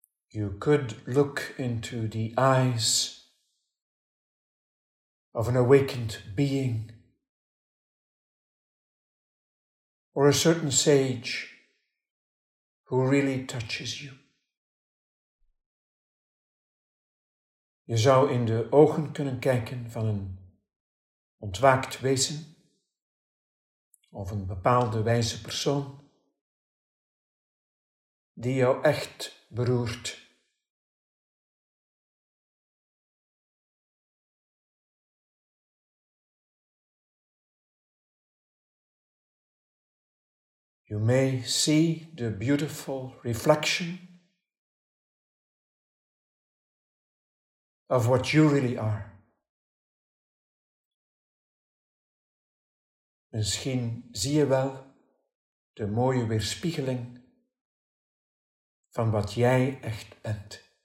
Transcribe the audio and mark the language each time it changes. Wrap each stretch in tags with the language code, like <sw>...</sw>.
<en>You could look into the eyes of an awakened being or a certain sage who really touches you.</en> <nl>Je zou in de ogen kunnen kijken van een ontwaakt wezen of een bepaalde wijze persoon die jou echt beroert.</nl> <en>You may see the beautiful reflection of what you really are.</en> <nl>Misschien zie je wel de mooie weerspiegeling van wat jij echt bent.</nl>